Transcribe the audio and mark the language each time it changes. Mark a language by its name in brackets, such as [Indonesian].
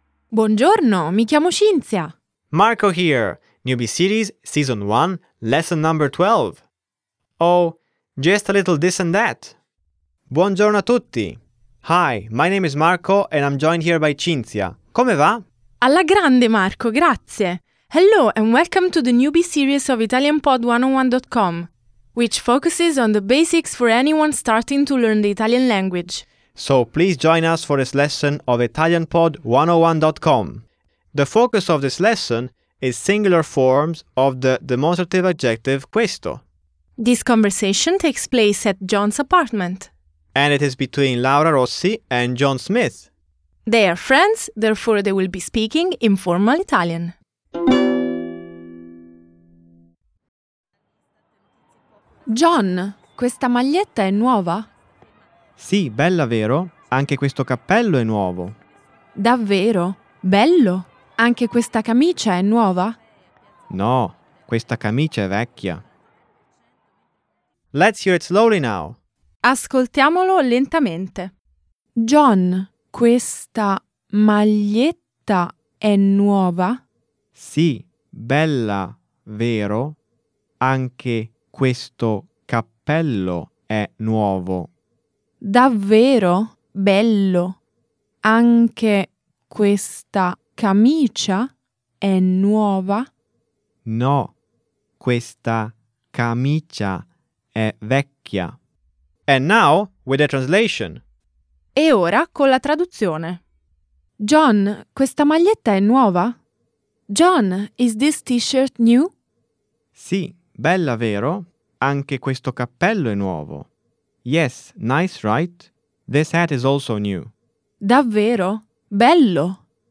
[Italian] Buongiorno, mi chiamo Cinzia. [English] Marco here. Newbie Series, Season 1, Lesson Number 12. Oh, just a little this and that. [Italian] Buongiorno a tutti. [English] Hi, my name is Marco and I'm joined here by Cinzia. [Italian] Come va? Alla grande, Marco, grazie. [English] Hello and welcome to the Newbie Series of ItalianPod101.com, which focuses on the basics for anyone starting to learn the Italian language. So please join us for this lesson of ItalianPod101.com. The focus of this lesson is singular forms of the demonstrative adjective questo. This conversation takes place at John's apartment. And it is between Laura Rossi and John Smith. They are friends, therefore they will be speaking informal Italian. [Italian] John, questa maglietta è nuova? Sì, bella, vero? Anche questo cappello è nuovo. Davvero? Bello? Anche questa camicia è nuova? No, questa camicia è vecchia. [English] Let's hear it slowly now. [Italian] Ascoltiamolo lentamente. John, questa maglietta è nuova? Sì, bella, vero? Anche questo cappello è nuovo. Davvero? Bello? Anche questa camicia è nuova? No, questa camicia è vecchia. [English] And now with the translation. [Italian] E ora con la traduzione. John, questa maglietta è nuova? [English] John, is this t-shirt new? [Italian] Sì, bella, vero? Anche questo cappello è nuovo. [English] Yes, nice, right? This hat is also new. [Italian] Davvero? Bello?